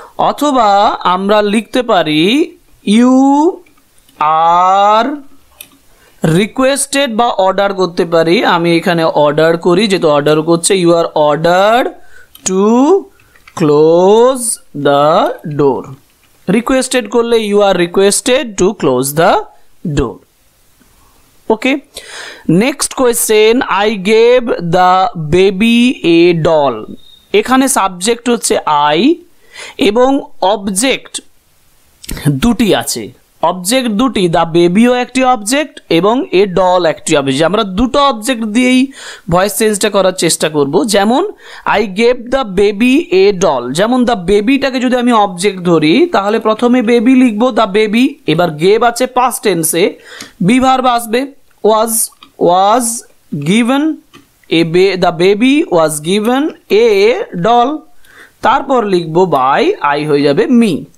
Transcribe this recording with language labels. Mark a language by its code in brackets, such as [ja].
[bn] অথবা আমরা লিখতে পারি [en] you are requested [bn] বা অর্ডার করতে পারি। আমি এখানে অর্ডার করি, যেহেতু অর্ডার করছে, [en] you are ordered to close the door. Requested [bn] করলে [en] you are requested to close the door. Okay. Next question, I gave the baby a doll. [bn] এখানে সাবজেক্ট হচ্ছে I এবং অবজেক্ট দুটি আছে। অবজেক্ট দুটি, দা বেবিও একটি অবজেক্ট এবং এ ডল একটি অবজেক্ট। আমরা দুটো অবজেক্ট দিয়েই ভয়েস চেঞ্জটা করার চেষ্টা করব। যেমন [en] I gave the baby a doll, [bn] যেমন দ্য বেবিটাকে যদি আমি অবজেক্ট ধরি তাহলে প্রথমে বেবি লিখব, দ্য বেবি, এবার গেভ আছে পাস্ট টেন্সে, বি ভার্ব আসবে, ওয়াজ, was given a, [en] the baby was given a doll, [bn] তারপর লিখব বাই, আই হয়ে যাবে মি।